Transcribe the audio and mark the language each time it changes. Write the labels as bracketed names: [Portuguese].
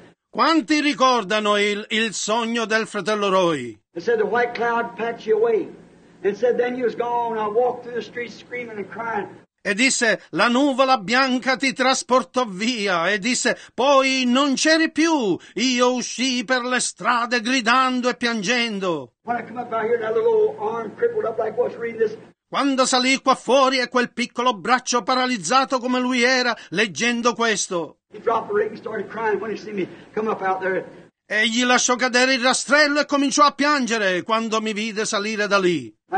[Italian] Quanti ricordano il sogno del fratello Roy? [English] He said, the white cloud patched you away. And said, then you was gone, I walked through the streets screaming and crying. [Italian] E disse, la nuvola bianca ti trasportò via. E disse, poi non c'eri più. Io uscii per le strade gridando e piangendo. [English] When I come up out here, that little arm crippled up like what's reading this. [Italian] Quando salì qua fuori e quel piccolo braccio paralizzato come lui era, leggendo questo. [English] He dropped the ring and started crying when he seen me come up out there. [Italian] Egli lasciò cadere il rastrello e cominciò a piangere quando mi vide salire da lì.